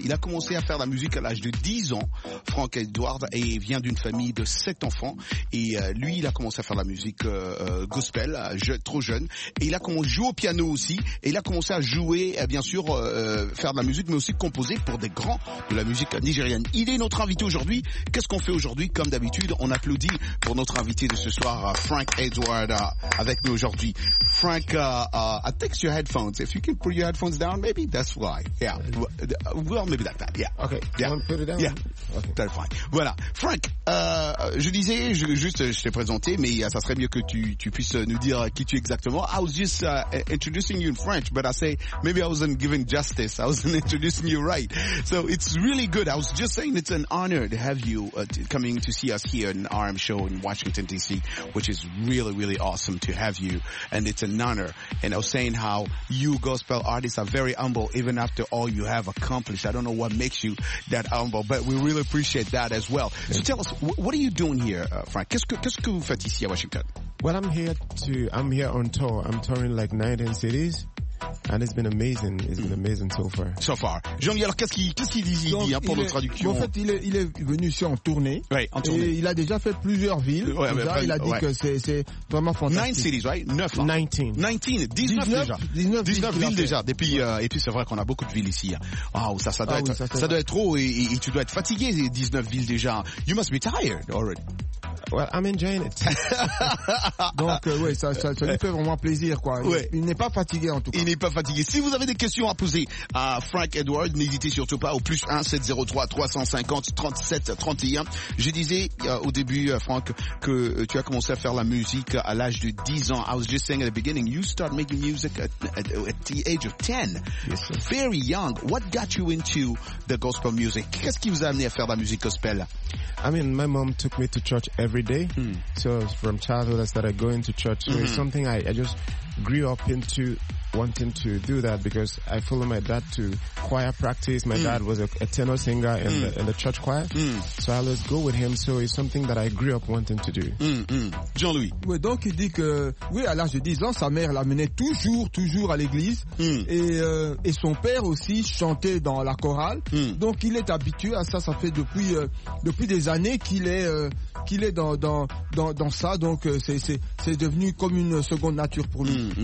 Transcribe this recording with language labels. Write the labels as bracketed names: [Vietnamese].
[French] Il a commencé à faire la musique à l'âge de 10 ans, Frank Edward, et vient d'une famille de 7 enfants, et lui, il a commencé à faire la musique, gospel, trop jeune, et il a commencé à jouer au piano aussi, et il a commencé à jouer, bien sûr, faire de la musique, mais aussi composer pour des grands de la musique nigérienne. Il est notre invité aujourd'hui. Qu'est-ce qu'on fait aujourd'hui? Comme d'habitude, on applaudit pour notre invité de ce soir, Frank Edward, avec nous aujourd'hui. [English] Frank, I think it's your headphones. If you can put your headphones down, maybe that's why. Yeah. Well, maybe like that. Yeah. Okay. Yeah. You want to put it down? Yeah. Okay. That's fine. Voilà. [French] Frank, je disais, je t'ai présenté, mais ça serait mieux que tu puisses nous dire qui tu es exactement. [English] I was just introducing you in French, but I say maybe I wasn't giving justice. I wasn't introducing you right. So it's really good. I was just saying it's an honor to have you coming to see us here in RM Show in Washington, D.C., which is really, really awesome to have you. And it's an honor. And I was saying how you gospel artists are very humble even after all you have accomplished. I don't know what makes you that humble, but we really appreciate that as well. Yes. So tell us, what are you doing here, Frank? [French] Qu'est-ce que vous faites ici à Washington? [English] Well, I'm here on tour. I'm touring like 19 cities, and it's been amazing. It's been amazing so far. So far. [French] Jean-Louis, alors qu'est-ce qu'il dit ici, hein, pour notre traduction? En fait, il est venu ici en tournée. Oui, en tournée. Et il a déjà fait plusieurs villes. Ouais, déjà, après, il a dit ouais. que c'est vraiment fantastique. [English] 9 cities, right? 9. [French] Hein. 19. 19 villes déjà. Depuis, et puis c'est vrai qu'on a beaucoup de villes ici. Waouh, ça doit être trop, et tu dois être fatigué, 19 villes déjà. [English] You must be tired already. Well, I'm enjoying it. [French] Donc, oui, ça lui fait vraiment plaisir, quoi. Ouais. Il n'est pas fatigué, en tout cas. Il n'est pas fatigué. Si vous avez des questions à poser à Frank Edward, n'hésitez surtout pas au plus 1-703-350-3731. Je disais au début, Frank, que tu as commencé à faire la musique à l'âge de 10 ans. [English] I was just saying at the beginning, you start making music at the age of 10. Yes, sir. Very young. What got you into the gospel music? [French] Qu'est-ce qui vous a amené à faire la musique gospel? [English] I mean, my mom took me to church every day. So from childhood, I started going to church. So it's something I just grew up into wanting to do that because I follow my dad to choir practice. My dad was a tenor singer in the church choir. So I always go with him. So it's something that I grew up wanting to do. Jean-Louis. [French] Oui, donc il dit que, oui, à l'âge de 10 ans, sa mère l'amenait toujours à l'église. Et son père aussi chantait dans la chorale. Donc il est habitué à ça. Ça fait depuis des années qu'il est dans ça. Donc c'est devenu comme une seconde nature pour lui.